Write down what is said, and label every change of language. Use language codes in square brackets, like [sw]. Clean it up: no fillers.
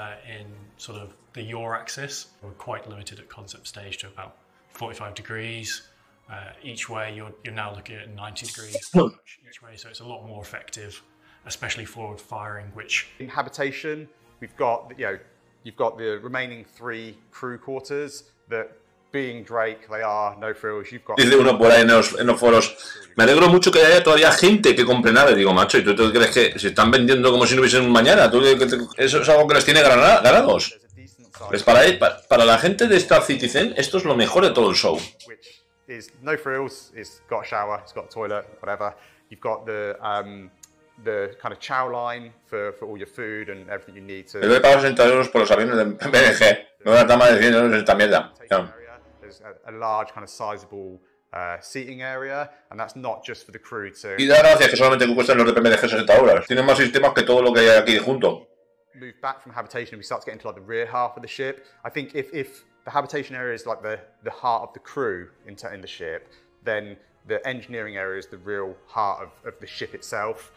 [en] In sort of the yaw axis, we're quite limited at concept stage to about 45 degrees. Each way, you're now looking at 90 degrees each way, so it's a lot more effective, especially forward firing, which... In habitation, we've got, you've got the remaining three crew quarters that, being Drake, they are no frills. You've got... [es] Dice uno por ahí en los foros, me alegro mucho que haya todavía gente que compre nada. Digo, macho, ¿y tú te crees que se están vendiendo como si no hubiesen mañana? ¿Tú, eso es algo que les tiene ganados? Pues para la gente de Star Citizen, esto es lo mejor de todo el show. [en] Is no frills, it's got a shower, it's got a toilet, whatever. You've got the kind of chow line for all your food and everything you need to... [es] Yo he pagado 60 euros por los aviones de BNG. No me da más de 100 euros en esta mierda. [en] There's a large kind of sizable seating area, and that's not just for the crew to... [es] Y da gracias que solamente cuestan los de BNG 60 euros. Tienen más sistemas que todo lo que hay aquí junto. [en] Move back from habitation, we start to get into like the rear half of the ship. I think if the habitation area is like the heart of the crew in the ship, then the engineering area is the real heart of the ship itself.